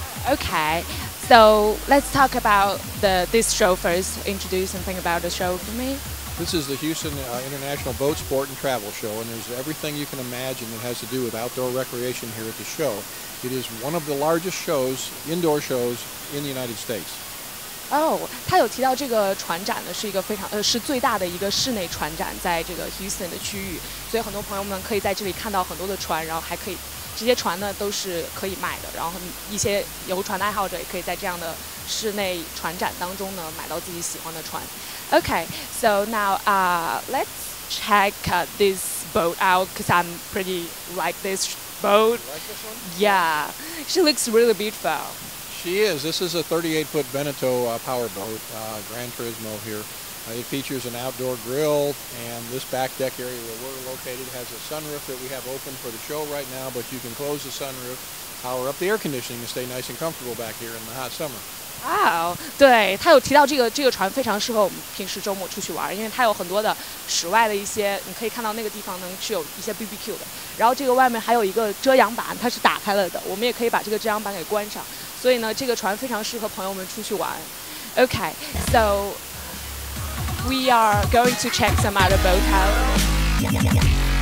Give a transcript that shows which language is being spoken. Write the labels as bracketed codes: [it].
[en] Okay, so let's talk about this show first. Introduce something about the show for me. This is the Houston International Boat Sport and Travel Show, and there's everything you can imagine that has to do with outdoor recreation here at the show. It is one of the largest shows, indoor shows, in the United States. [zh] 他有提到这个船展呢是一个非常是最大的一个室内船展，在这个 Houston 的区域，所以很多朋友们可以在这里看到很多的船，然后还可以这些船呢都是可以买的，然后一些游船爱好者也可以在这样的室内船展当中呢买到自己喜欢的船。 [en] Okay, so now let's check this boat out because I'm pretty like this boat. Yeah, she looks really beautifulShe is. This is a 38-foot Beneteau powerboat, Gran Turismo here. It features an outdoor grill, and this back deck area where we're located has a sunroof that we have open for the show right now, but you can close the sunroof, power up the air conditioning, and stay nice and comfortable back here in the hot summer. [zh] Wow, 对，他有提到这个船非常适合我们平时周末出去玩，因为它有很多的室外的一些，你可以看到那个地方能是有一些 BBQ 的，然后这个外面还有一个遮阳板，它是打开了的，我们也可以把这个遮阳板给关上，所以呢，这个船非常适合朋友们出去玩。 [en] Okay, so we are going to check some other boat out.